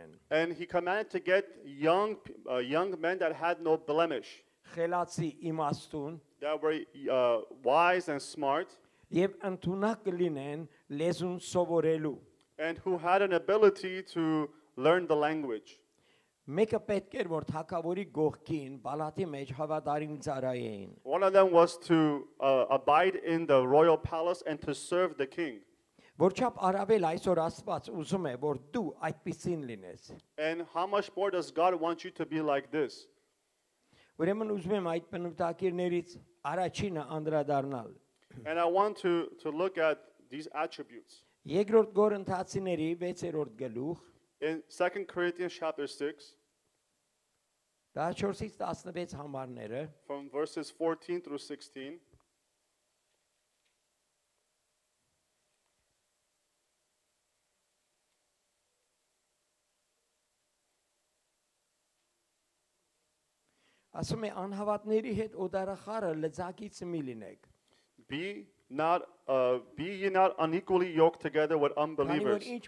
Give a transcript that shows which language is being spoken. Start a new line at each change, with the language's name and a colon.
English: And he commanded to get young men that had no blemish. That were wise and smart. And who had an ability to learn the language.
Armenian: Մեկը պետք էր որ թակավորի գողքին բալատի մեջ հավատարիմ ծարային.
English: One of them was to abide in the royal palace and to serve the king.
Armenian: Որչափ արավել այսօր Աստված ուզում է որ դու այդպեսին լինես.
English: And how much more does God want you to be like this?
Armenian: Ուրեմն ուզում եմ այդ բնութագիրներից առաջինը անդրադառնալ.
English: And I want to look at these attributes.
Armenian: Երկրորդ Կորինթացիների 6-րդ գլուխ
English: In 2 Corinthians chapter 6,
Armenian: Դա 4-ից 16 համարները.
English: From verses 14 through 16.
Armenian: Ասում է անհավատների հետ օդարախառը լծակից մի լինեք.
English: Be ye not unequally yoked together with unbelievers.